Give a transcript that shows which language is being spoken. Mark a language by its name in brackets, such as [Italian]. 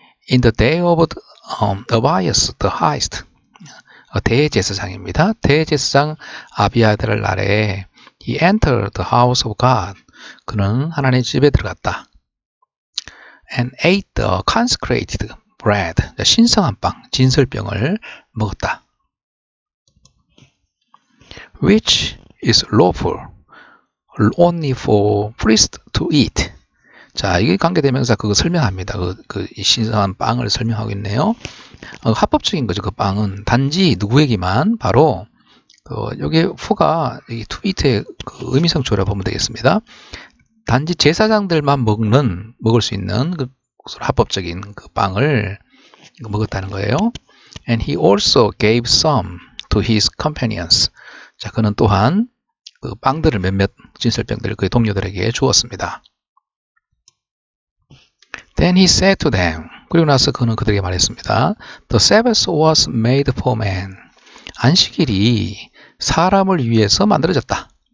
[English] In the day of Abias the highest [Korean] 대제사장입니다. 대제사장 아비아들 날에 [English] he entered the house of God. [Korean] 그는 하나님의 집에 들어갔다. [English] And ate the consecrated bread. [Korean] 신성한 빵, 진설병을 먹었다. [English] Which is lawful only for priests to eat. [Korean] 자, 이게 관계대명사 그거 설명합니다. 그 신성한 빵을 설명하고 있네요. 합법적인 거죠. 그 빵은 단지 누구에게만 바로 여기 for가 to eat의 그 의미성 조라 보면 되겠습니다. 단지 제사장들만 먹을 수 있는 그 합법적인 그 빵을 먹었다는 거예요. [English] And he also gave some to his companions. [Korean] 자, 그는 또한 그 빵들을 몇몇 진설병들을 그의 동료들에게 주었습니다. [English] Then he said to them. [Korean] 그리고 나서 그는 그들에게 말했습니다. [English] The Sabbath was made for man. [Korean] 안식일이 사람을 위해서 만들어졌다.